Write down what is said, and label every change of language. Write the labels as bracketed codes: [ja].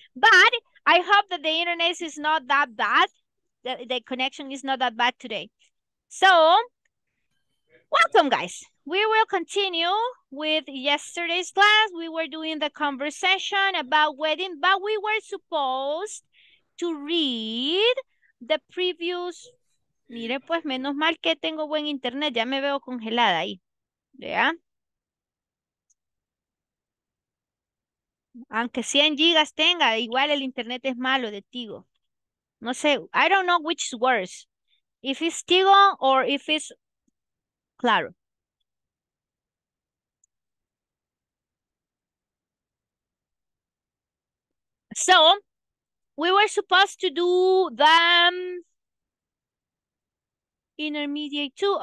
[en] But I hope that the internet is not that bad. The connection is not that bad today. So, welcome, guys. We will continue with yesterday's class. We were doing the conversation about wedding, but we were supposed to read the previous. [es] Mire, pues menos mal que tengo buen internet, ya me veo congelada ahí. ¿Ya? Aunque 100 gigas tenga, igual el internet es malo de Tigo. No sé, [en] I don't know which is worse. If it's Tigo or if it's Claro. So, we were supposed to do the intermediate two.